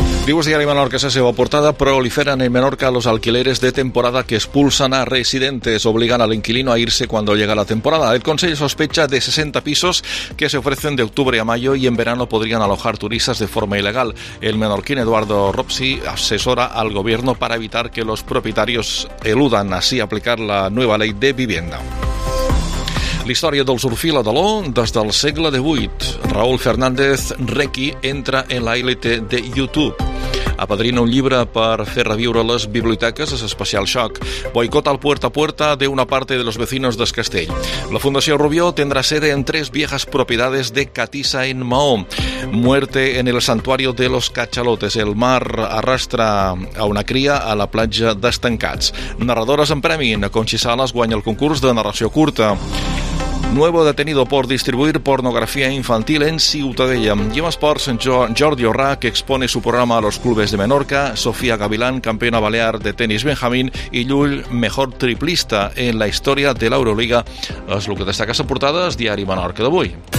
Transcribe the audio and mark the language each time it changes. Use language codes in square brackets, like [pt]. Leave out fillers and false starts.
[ca] Diu el Diari Menorca la seva portada: [es] proliferan en Menorca los alquileres de temporada que expulsan a residentes, obligan al inquilino a irse cuando llega la temporada. El Consell sospecha de 60 pisos que se ofrecen de octubre a mayo y en verano podrían alojar turistas de forma ilegal. El menorquín Eduardo Ropsi asesora al gobierno para evitar que los propietarios eludan así aplicar la nueva ley de vivienda. [ca] La història del surfí a Badaló des del segle XVIII. [es] Raúl Fernández Requi entra en la élite de YouTube. [ca] Apadrina un llibre per fer reviure les biblioteques, és especial xoc. [es] Boicot al puerta a puerta de una parte de los vecinos del castell. La Fundació Rubió tendrá sede en tres viejas propiedades de Catisa en Mahón. Muerte en el santuario de los cachalotes. El mar arrastra a una cria a la platja d'Estancats. Narradores en premi. [ca] Conchi Salas guanya el concurs de narració curta. [es] Nuevo detenido por distribuir pornografía infantil en Ciutadella. Y en esports, Jordi Orrà, que expone su programa a los clubes de Menorca. Sofía Gavilán, campeona balear de tenis Benjamín. Y Llull, mejor triplista en la historia de la Euroliga. Es lo que destaca esa portada, es Diari Menorca [ca] d'avui.